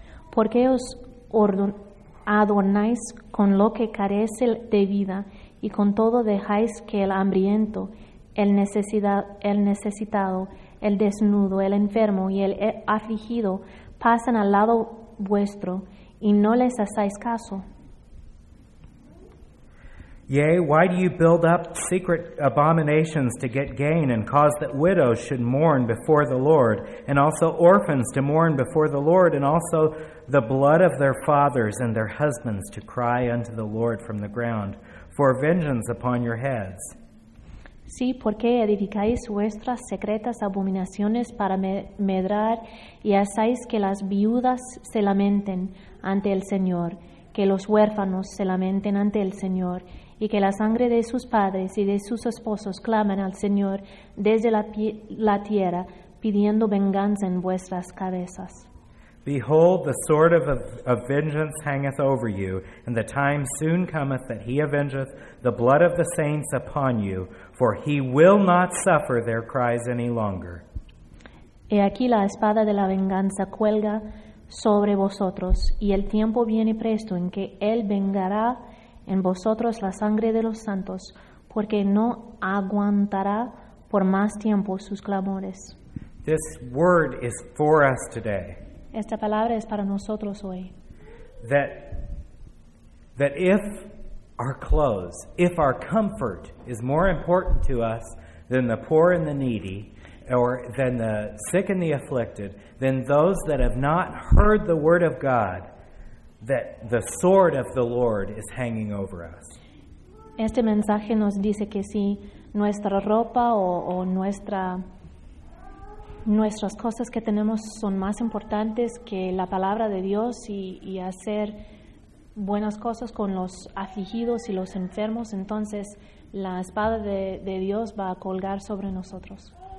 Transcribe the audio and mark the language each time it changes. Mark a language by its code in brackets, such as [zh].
[es] ¿Por qué os adornáis con lo que carece de vida y con todo dejáis que el hambriento, el necesitado, el desnudo, el enfermo y el afligido pasen al lado vuestro y no les hacéis caso? [en] Yea, why do you build up secret abominations to get gain and cause that widows should mourn before the Lord, and also orphans to mourn before the Lord, and also the blood of their fathers and their husbands to cry unto the Lord from the ground for vengeance upon your heads? [es] Sí, porque edificáis vuestras secretas abominaciones para medrar y hacéis que las viudas se lamenten ante el Señor, que los huérfanos se lamenten ante el Señor, y que la sangre de sus padres y de sus esposos clamen al Señor desde la tierra, pidiendo venganza en vuestras cabezas. [en] Behold, the sword of vengeance hangeth over you, and the time soon cometh that he avengeth the blood of the saints upon you, for he will not suffer their cries any longer. [es] He aquí la espada de la venganza cuelga sobre vosotros, y el tiempo viene presto en que él vengará en vosotros la sangre de los santos, porque no aguantará por más tiempo sus clamores. [en] This word is for us today. [es] Esta palabra es para nosotros hoy. [en] That if our clothes, if our comfort is more important to us than the poor and the needy, or than the sick and the afflicted, than those that have not heard the word of God, that the sword of the Lord is hanging over us. [es] Este mensaje nos dice que si nuestra ropa o nuestra nuestras cosas que tenemos son más importantes que la palabra de Dios y hacer buenas cosas con los afligidos y los enfermos, entonces la espada de Dios va a colgar sobre nosotros.